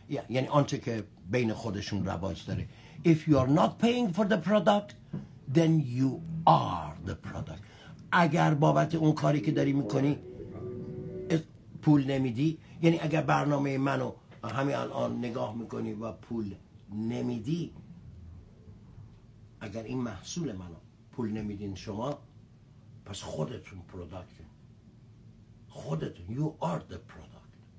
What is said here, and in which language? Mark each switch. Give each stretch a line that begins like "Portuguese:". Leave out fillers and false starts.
Persian: یعنی آنچه که بین خودشون رواج داره.
English: If you're not paying for the product, then you are the product.
Persian: اگر بابت اون کاری که داری میکنی پول نمیدی، یعنی اگر برنامه منو همین الان نگاه میکنی و پول نمیدی، اگر این محصول منو پول نمیدین شما، پس خودتون پروداکت، خودتون
English: you are the product.